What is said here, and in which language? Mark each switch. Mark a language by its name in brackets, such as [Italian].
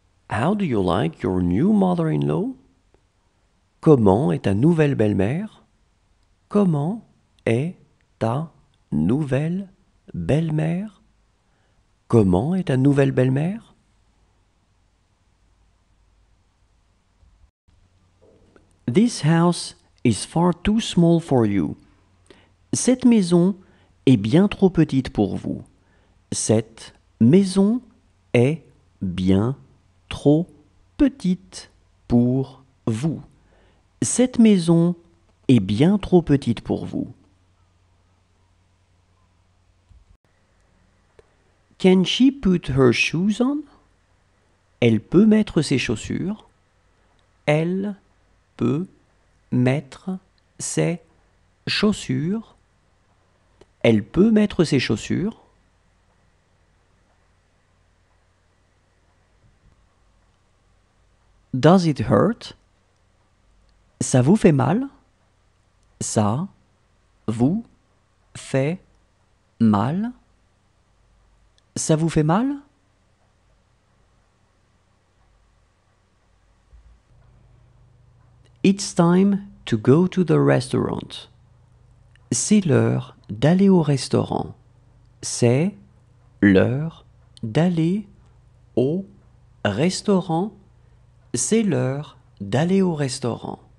[English] How do you like your new mother-in-law? [French] Comment est ta nouvelle belle-mère? Comment est ta nouvelle belle-mère? Comment est ta nouvelle belle-mère? [English] This house is far too small for you. [French] Cette maison est bien trop petite pour vous. Cette maison est bien trop petite pour vous. Cette maison est bien trop petite pour vous. [English] Can she put her shoes on? [French] Elle peut mettre ses chaussures. Elle peut mettre ses chaussures. Elle peut mettre ses chaussures. [English] Does it hurt? [French] Ça vous fait mal? Ça vous fait mal? Ça vous fait mal? [English] It's time to go to the restaurant. [French] C'est l'heure d'aller au restaurant. C'est l'heure d'aller au restaurant. C'est l'heure d'aller au restaurant.